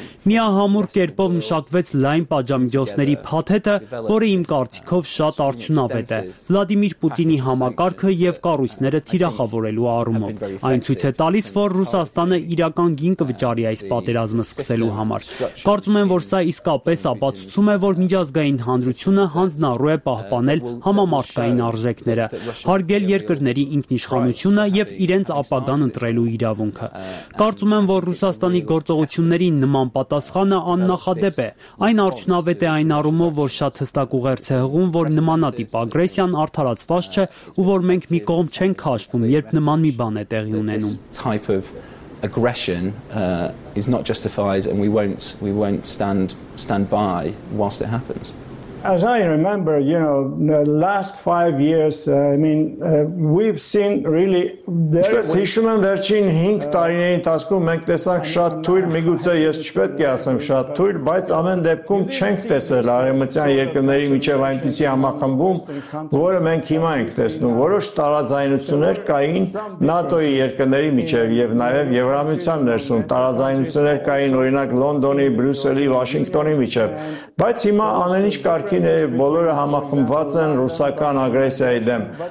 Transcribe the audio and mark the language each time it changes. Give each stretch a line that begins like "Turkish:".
Armenian: Միահամուր կերպով մշակվեց այն պատժամիջոցների փաթեթը, որը իմ կարծիքով շատ արդյունավետ է Վլադիմիր Պուտինի համակարգը և կառույցները թիրախավորելու առումով։ Այն ցույց է տալիս, որ Ռուսաստանը իրական գին կվճարի այս պատերազմը սկսելու համար։ Կարծում եմ, որ սա իսկապես ապացուցում է, որ միջազգային հանրությունը հանձնարու է պահպանել համամարտկային արժեքները, հարգել երկրների ինքնիշխանությունը և իրենց ապագան ընտրելու իրավունքը։ Կարծում եմ, որ Ռուսաստանի գործողությունների նման պատասխանը աննախադեպ է։ Այն արդյունավետ է այն առումով, որ շատ հստակ ուղերձ է հղում, որ նմանատիպ ագրեսիան արդարացված չէ ու որ մենք մի կողմ չենք քաշվում, երբ նման մի բան է տեղի ունենում։
English: Type of aggression is not justified and we won't stand by whilst it happens. As I remember, you know, the last 5 years, I mean, we've seen really there is
Armenian: հիշում եմ վերջին 5 տարիների ընթացքում մենք տեսանք շատ թույլ, միգուցե ես չպետք է ասեմ շատ թույլ, բայց ամեն դեպքում չենք տեսել արեմտյան երկրների միջև այնպիսի համախմբում, որը մենք հիմա ենք տեսնում, որոշ տարաձայնություններ կային ՆԱՏՕ-ի երկրների միջև եւ նաեւ Եվրամիության ներսում տարաձայնություններ կային օրինակ Լոնդոնի, Բրյուսելի, Վաշինգտոնի միջև, բայց հիմա ամեն ինչ արքին է, բոլորը համախմբված են ռուսական ագրեսիայի դեմ։